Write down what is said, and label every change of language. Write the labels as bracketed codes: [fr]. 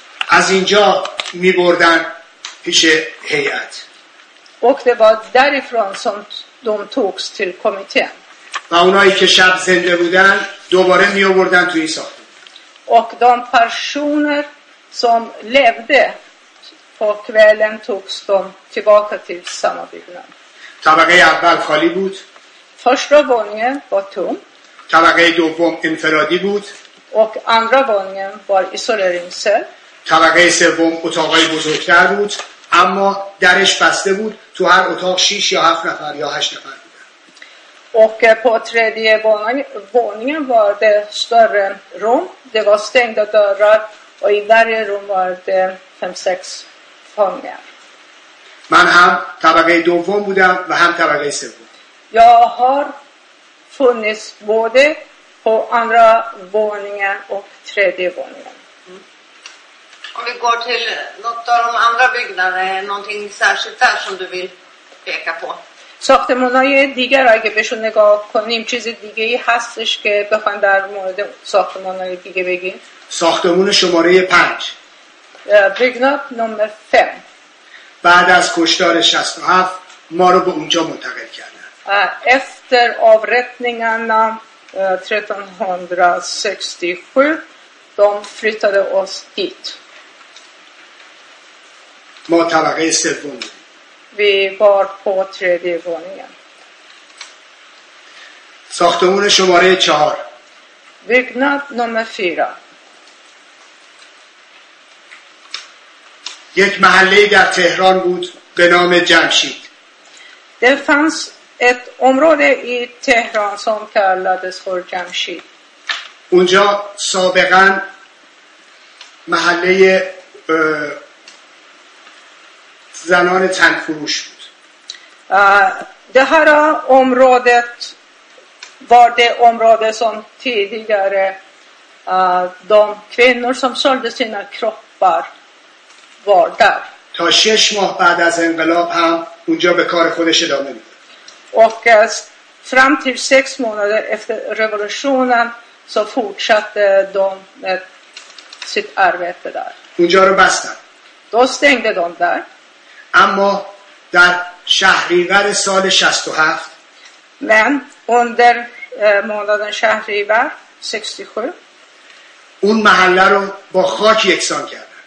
[fa] از اینجا می بردن پیش هیئت. [sv] Och det var därifrån som de togs till kommittén. [fa] و اونایی که شب زنده بودن دوباره می آوردن توی ساختمان. [sv] Och de personer som levde på kvällen togs de tillbaka till samma byggnad. [fa] طبقه اول خالی بود. [sv] Första våningen var tom. [fa] طبقه دوم انفرادی بود. [sv] Och andra våningen var isoleringscell. [fa] طبقه سوم اتاقای بزرگتر بود اما درش بسته بود تو هر اتاق 6 یا 7 نفر یا 8 نفر بودن. [sv] Och på tredje våningen var det större rum. Det var stängda dörrar och i varje rum var det 5-6 fångar. [fa] من هم طبقه دوم بودم و هم طبقه سوم. [sv] Jag har funnits både på andra våningen och tredje våningen. Om vi går till något av de andra byggnaderna, är någonting särskilt där som du vill peka på? [fa] ساختمان‌های دیگر اگه بهشون نگاه کنیم چیز دیگه ای هستش که بخوایم در مورد ساختمان‌های دیگه بگیم. ساختمان شماره 5. [sv] بیگنات نمبر 5. [fa] بعد از کشتار 67 ما رو به اونجا منتقل کردن. [sv] Efter avrättningarna 1367 de flyttade oss dit. [fa] ما طبقه سوم. [sv] Vi var på tredje våningen. [fa] ساختمان شماره 4. [sv] Byggnad nummer 4. [fa] یک محله در تهران بود به نام جمشید. [sv] Det fanns ett område i Tehran som kallades för Jamshid. [fa] اونجا سابقا محله زنان تن فروش بود. [sv] Det här området var det område som tidigare de kvinnor som sålde sina kroppar var där. [fa] تا 6 ماه بعد از انقلاب هم اونجا به کار خودش ادامه میداد. [sv] Och fram till 6 månader efter revolutionen så fortsatte de med sitt arbete där. [fa] اونجا رو بستن. [sv] Då stängde de där. [fa] اما در شهریور سال 67 [sv] من under månaden شهریور 67 [fa] اون محله رو با خاک یکسان کردن.